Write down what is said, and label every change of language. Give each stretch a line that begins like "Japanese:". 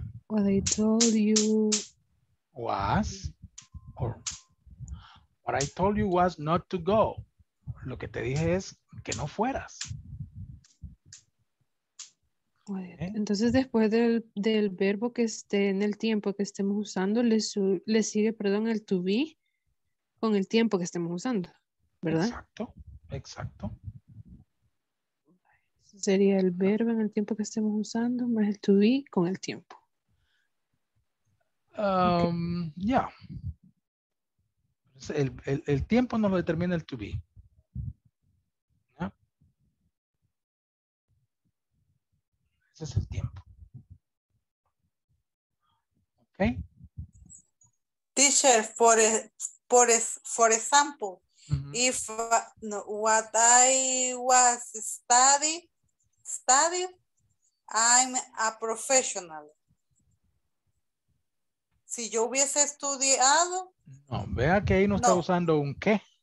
English: was, or what I told you was not to go.
Spanish: Lo que te dije es que no fueras. Entonces, después del verbo que esté en el tiempo que estemos usando, le sigue, perdón, el to be con el tiempo que estemos usando, ¿verdad? Exacto, exacto. Sería el verbo en el tiempo que estemos usando más el to be con el tiempo.
English: Okay. Ya. Yeah.
Spanish: El tiempo no lo determina el to be. Es el tiempo.
English: Ok. Teacher, for example, uh-huh. If no, what I was study, I'm a professional.
Spanish: Si yo hubiese estudiado. No, vea que ahí no está usando un qué.